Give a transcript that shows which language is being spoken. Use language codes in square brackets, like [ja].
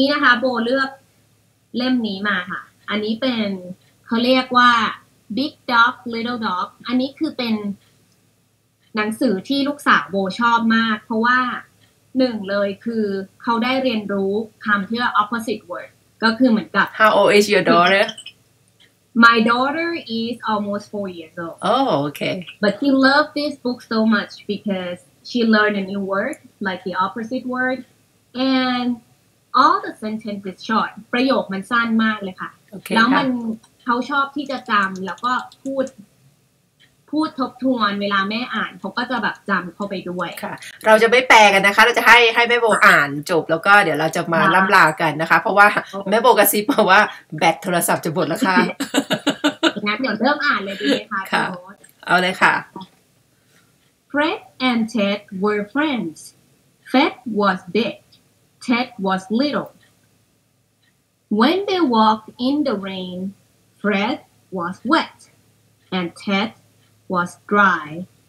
[th] นะคะโบเลือกเล่มนี้มาค่ะอันนี้เป็นเขาเรียกว่า big dog little dog อันนี้คือเป็นหนังสือที่ลูกสาวโบชอบมากเพราะว่าหนึ่งเลยคือเขาได้เรียนรู้คำที่ว่า [en] opposite word [th] ก็คือเหมือนกับ [en] how old is your daughter my daughter is almost 4 years old oh okay but she loved this book so much because she learned a new word like the opposite word andall the sentences short [th] ประโยคมันสั้นมากเลยค่ะ [en] okay, [th] แล้วมัน เขาชอบที่จะจำแล้วก็พูดทบทวนเวลาแม่อ่านเขาก็จะแบบจำเข้าไปด้วย ค่ะเราจะไม่แปลกันนะคะเราจะให้แม่โบอ่านจบแล้วก็เดี๋ยวเราจะมาล่ำลากันนะคะเพราะว่าแม่โบกระซิบมาว่าแบตโทรศัพท์จะหมดแล้วค่ะ งั้นเดี๋ยวเริ่มอ่านเลยดีไหมคะ เอาเลยค่ะ [en] Fred and Ted were friends Fred was big. Ted was little. When they walked in the rain, Fred was wet, and Ted was dry.